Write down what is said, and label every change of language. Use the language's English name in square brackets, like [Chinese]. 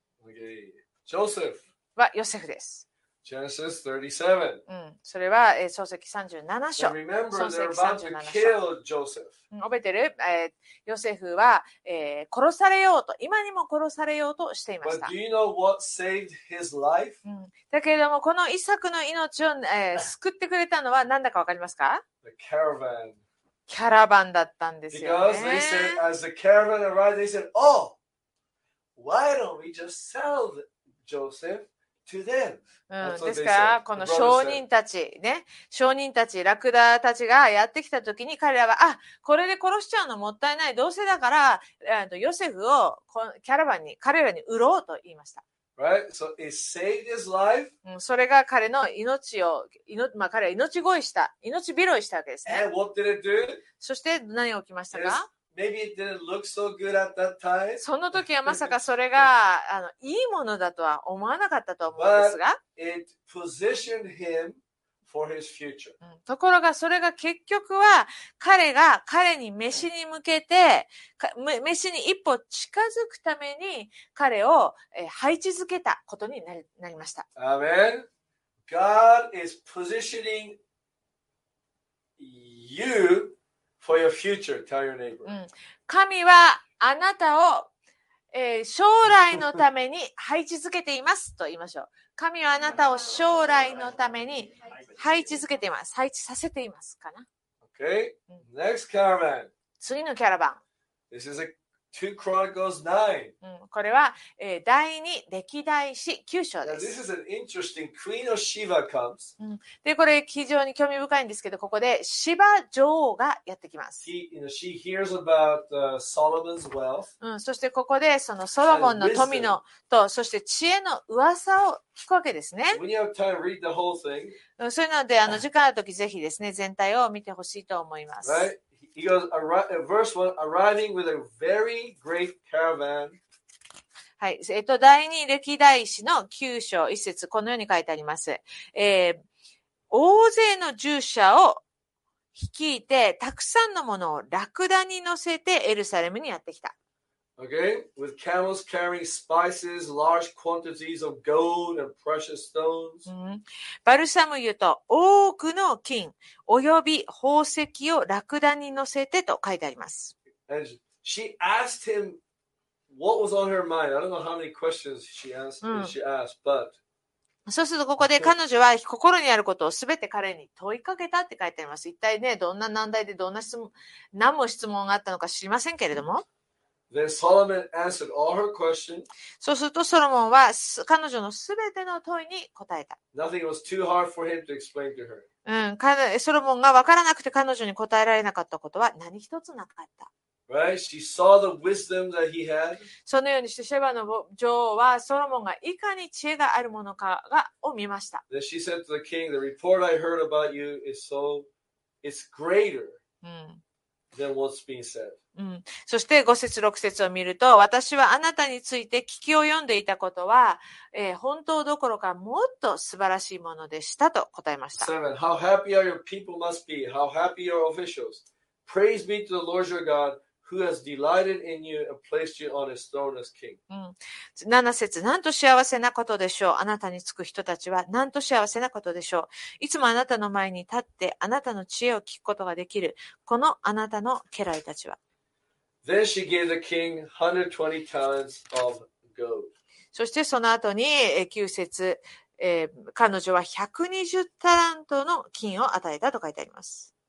[English] Okay, Joseph. [Japanese] はヨセフです。 [English] Genesis 37. [Japanese] それは創世記37章。 [English] So、 remember, [Japanese] 創世記37章。 [English] They're about to kill Joseph. [Japanese] 覚えてる？ヨセフは、殺されようと、今にも殺されようとしていました。 [English] But do you know what saved his life? [Japanese] だけれども、このイサクの命を、救ってくれたのは何だか分かりますか？ [English] The caravan. [Japanese] キャラバンだったんですよね。 [English] Because they said, as the caravan arrived, they said, oh, why don't we just sell Joseph? To them. [Japanese] ですから、この商人たちね、商人たち、ラクダたちがやってきたときに彼らは、あ、これで殺しちゃうのもったいない。どうせだから、ヨセフをキャラバンに、彼らに売ろうと言いました。 [English] Right? So he saved his life. [Japanese] それが彼の命を、まあ、彼は命乞いした、命拾いしたわけですね。 [English] And what did it do? [Japanese] そして何が起きましたか？ [English] Maybe it didn't look so good at that time. [Japanese] その時はまさかそれがいいものだとは思わなかったと思うんですが。 [English] But it positioned him for his future. [Japanese] ところがそれが結局は彼に飯に向けて、飯に一歩近づくために彼を配置づけたことになりました。 [English] Amen. God is positioning you. For your future, tell your neighbor. [Japanese] 神はあなたを、将来のために配置づけていますと言いましょう。神はあなたを将来のために配置づけています。配置させていますかな。 [English] Okay. Next caravan. [Japanese] 次のキャラバン。 [English] This is a 2 Chronicles 9. [Japanese] これは、第2歴代史9章です。 [English] Now, this is an interesting. Queen of Sheba comes. [Japanese] で、これ非常に興味深いんですけど、ここでシバ女王がやってきます。 [English] He, you know, she hears about, Solomon's wealth. [Japanese] そしてここでそのソロモンの富のと、そして知恵の噂を聞くわけですね。 [English] We have time to read the whole thing. [Japanese] そういうので、時間のときぜひですね、全体を見てほしいと思います。 [English] Right? He goes, verse 1, arriving with a very great caravan. [Japanese] はい。第二歴代史の九章一節、このように書いてあります。大勢の従者を率いて、たくさんのものをラクダに乗せてエルサレムにやってきた。 [English] Okay? With camels carrying spices, large quantities of gold and precious stones. [Japanese] バルサム油と多くの金、および宝石をラクダに乗せてと書いてあります。 [English] And she asked him what was on her mind. I don't know how many questions she asked, she asked, but... [Japanese] そうするとここで彼女は心にあることをすべて彼に問いかけたって書いてあります。一体ね、どんな難題でどんな質問、何も質問があったのか知りませんけれども。 [English] Then Solomon answered all her questions. [Japanese] そうするとソロモンは彼女のすべての問いに答えた。 [English] Nothing was too hard for him to explain to her. [Japanese] ソロモンが分からなくて彼女に答えられなかったことは何一つなかった。 [English] Right? She saw the wisdom that he had. [Japanese] そのようにしてシェバの女王はソロモンがいかに知恵があるものかがを見ました。 [English] Then she said to the king, "The report I heard about you is so, it's greater." Than what's being said. [Japanese] そして5節6節を見ると、私はあなたについて聞き及んでいたことは、本当どころかもっと素晴らしいものでしたと答えました。 [English] 7. How happy are your people must be, how happy your officials. Praise be to the Lord your God, who has delighted in you and placed you on his throne as king. [Japanese] 7節、なんと幸せなことでしょう。あなたにつく人たちは、なんと幸せなことでしょう。いつもあなたの前に立って、あなたの知恵を聞くことができる、このあなたの家来たちは。 [English] Then she gave the king 120 talents of gold. [Japanese] そしてその後に9節、彼女は120タラントの金を与えたと書いてあります。